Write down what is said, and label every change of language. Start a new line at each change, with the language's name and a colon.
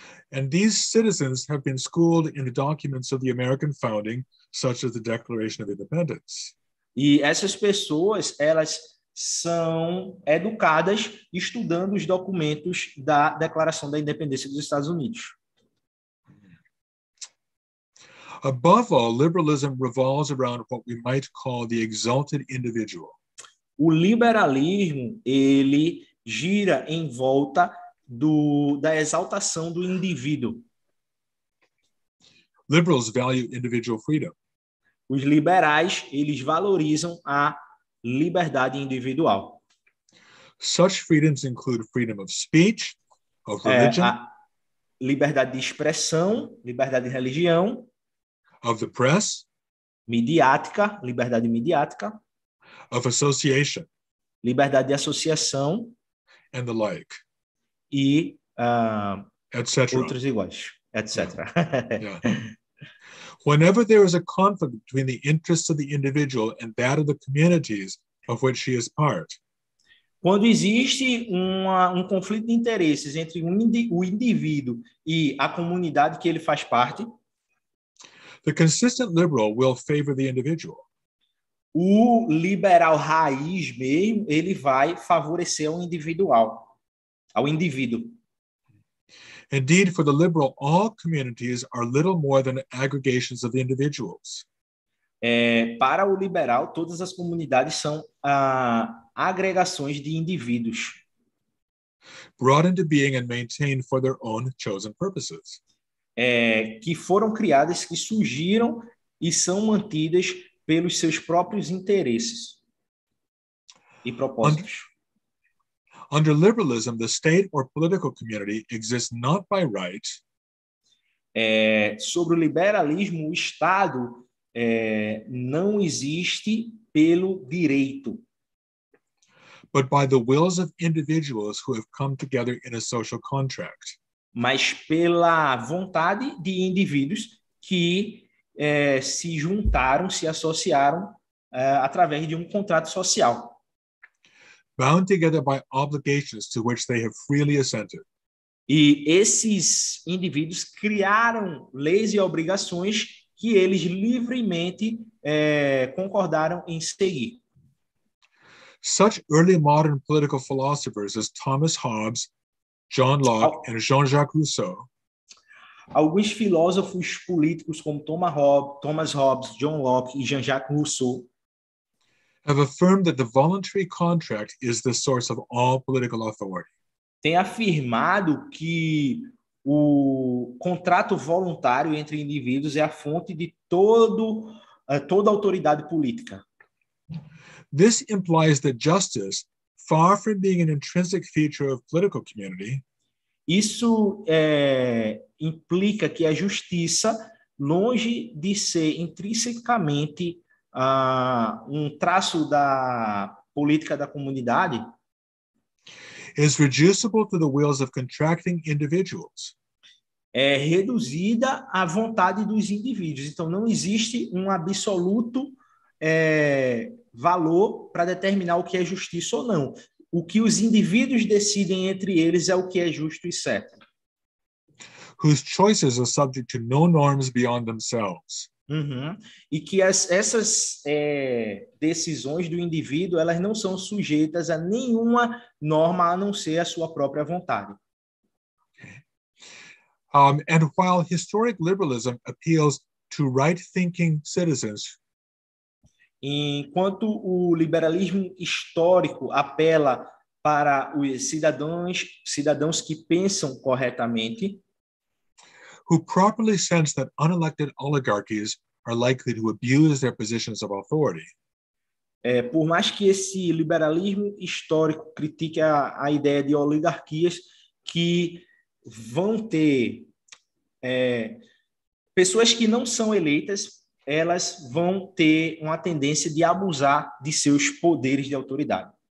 English: And these citizens have been schooled in the documents of the American founding, such as the Declaration of Independence.
Portuguese: E essas pessoas, elas são educadas estudando os documentos da Declaração da Independência dos Estados Unidos.
English: Above all, liberalism revolves around what we might call the exalted individual.
Portuguese: O liberalismo, ele gira em volta da exaltação do indivíduo.
English: Liberals value individual freedom.
Portuguese: Os liberais, eles valorizam a liberdade individual.
English: Such freedoms include freedom of speech, of religion,
Portuguese: liberdade de expressão, liberdade de religião,
English: of the press,
Portuguese: midiática, liberdade midiática,
English: of association,
Portuguese: liberdade de associação,
English: and the like,
Portuguese: e etc. Outros iguais, etc.
English: Whenever there is a conflict between the interests of the individual and that of the communities of which he is part.
Portuguese: Quando existe um conflito de interesses entre o indivíduo e a comunidade que ele faz parte,
English: the consistent liberal will favor the individual.
Portuguese: O liberal raiz mesmo, ele vai favorecer o individual, ao indivíduo.
English: Indeed, for the liberal, all communities are little more than aggregations of individuals.
Portuguese: Para o liberal, todas as comunidades são agregações de indivíduos.
English: Brought into being and maintained for their own chosen purposes.
Portuguese: Que foram criadas, que surgiram e são mantidas pelos seus próprios interesses e propósitos.
English: Under liberalism, the state or political community exists not by right.
Portuguese: Sobre o liberalismo, o Estado não existe pelo direito.
English: But by the wills of individuals who have come together in a social contract.
Portuguese: Mas pela vontade de indivíduos que se juntaram, se associaram através de um contrato social.
English: Bound together by obligations to which they have freely assented.
Portuguese: E esses indivíduos criaram leis e obrigações que eles livremente concordaram em seguir.
English: Such early modern political philosophers as Thomas Hobbes, John Locke, and Jean-Jacques Rousseau.
Portuguese: Alguns filósofos políticos como Thomas Hobbes, John Locke e Jean-Jacques Rousseau
English: have affirmed that the voluntary contract is the source of all political authority.
Portuguese: Tem afirmado que o contrato voluntário entre indivíduos é a fonte de toda autoridade política.
English: This implies that justice, far from being an intrinsic feature of political community,
Portuguese: isso implica que a justiça, longe de ser intrinsecamente um traço da política da comunidade,
English: is reducible to the wills of contracting individuals.
Portuguese: É reduzida à vontade dos indivíduos. Então, não existe um absoluto valor para determinar o que é justiça ou não. O que os indivíduos decidem entre eles é o que é justo e certo.
English: Whose choices are subject to no norms beyond themselves. Uhum.
Portuguese: E que essas decisões do indivíduo, elas não são sujeitas a nenhuma norma a não ser a sua própria vontade. Okay.
English: And while historic liberalism appeals to right-thinking citizens,
Portuguese: enquanto o liberalismo histórico apela para os cidadãos que pensam corretamente,
English: who properly sense that unelected oligarchies are likely to abuse their positions of authority.
Portuguese: Por mais que esse liberalismo histórico critique a ideia de oligarquias que vão ter pessoas que não são eleitas, elas vão ter uma tendência de abusar de seus poderes de autoridade.